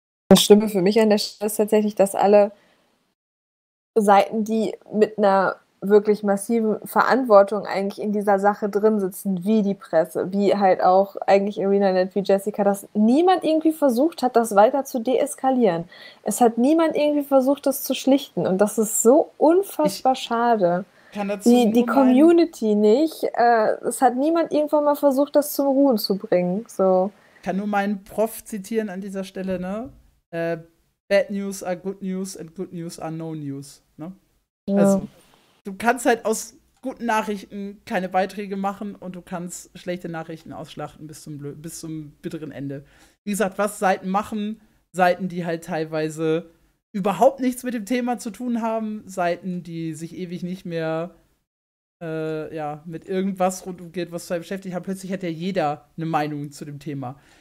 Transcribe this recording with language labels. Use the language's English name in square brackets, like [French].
[German] Das Schlimme für mich an der Stelle ist tatsächlich, dass alle Seiten, die mit einer wirklich massive Verantwortung eigentlich in dieser Sache drin sitzen, wie die Presse, wie halt auch eigentlich Arena Net, wie Jessica, dass niemand irgendwie versucht hat, das weiter zu deeskalieren. Es hat niemand irgendwie versucht, das zu schlichten und das ist so unfassbar schade. Die Community nicht. Es hat niemand irgendwann mal versucht, das zum Ruhen zu bringen. So. Ich kann nur meinen Prof zitieren an dieser Stelle, ne? [English] Bad news are good news and good news are no news. [German] Ne? Ja. Also, du kannst halt aus guten Nachrichten keine Beiträge machen und du kannst schlechte Nachrichten ausschlachten bis zum bitteren Ende. Wie gesagt, was Seiten machen, Seiten, die halt teilweise überhaupt nichts mit dem Thema zu tun haben, Seiten, die sich ewig nicht mehr mit irgendwas rund um Guild Wars 2 beschäftigt haben, plötzlich hat ja jeder eine Meinung zu dem Thema.